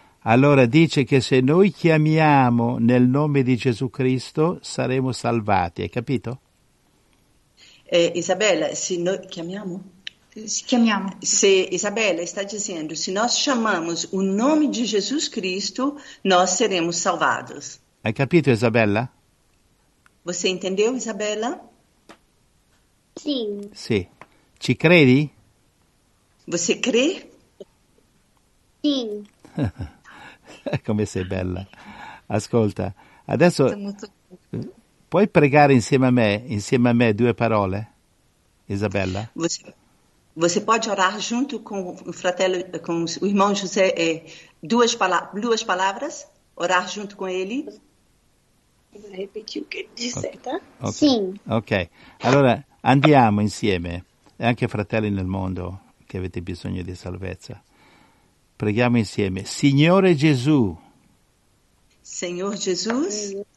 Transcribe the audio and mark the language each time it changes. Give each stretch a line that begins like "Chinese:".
Italian: Allora dice che se noi chiamiamo nel nome di Gesù Cristo saremo salvati, hai capito? Isabella, se noi chiamiamo? Se chiamiamo. Se Isabella sta dicendo, se noi chiamamos o nome di Gesù Cristo, noi saremo salvati. Hai capito, Isabella?
Portuguese: Você entendeu, Isabella?
Italian: Sì. Sì. Ci credi?
Portuguese: Você crê?
Italian: Sì. Come sei bella. Ascolta, adesso puoi pregare insieme a me due parole, Isabella?
Portuguese: Você pode orar junto com o fratello, com o irmão José, duas palavras, orar junto com ele? Repetir o que disse, okay. Tá? Okay. Sim.
Italian: Ok, allora andiamo insieme, e anche fratelli nel mondo che avete bisogno di salvezza. Preghiamo insieme. Signore Gesù.
Portuguese: Signor Jesus.